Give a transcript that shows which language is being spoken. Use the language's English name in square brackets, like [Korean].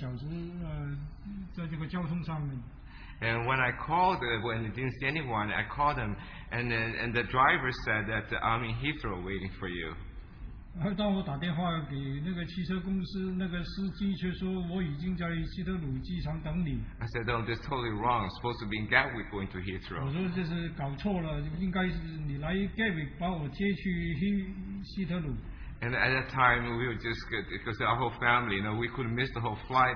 [Chinese] 我们预了有三个小时的时间，但是却花了一个小时在这个交通上面。 [English] And when I called, when it didn't see anyone, I called them, and the driver said that I'm in Heathrow waiting for you. [Chinese] 当我打电话给那个汽车公司，那个司机却说我已经在希特鲁机场等你。 [English] I said, oh, that's totally wrong. It's supposed to be in Gatwick going to Heathrow. [Chinese] 我说这是搞错了，应该是你来Gatwick把我接去希特鲁。 [English] And at that time, we were just good, because our whole family, you know, we couldn't miss the whole flight.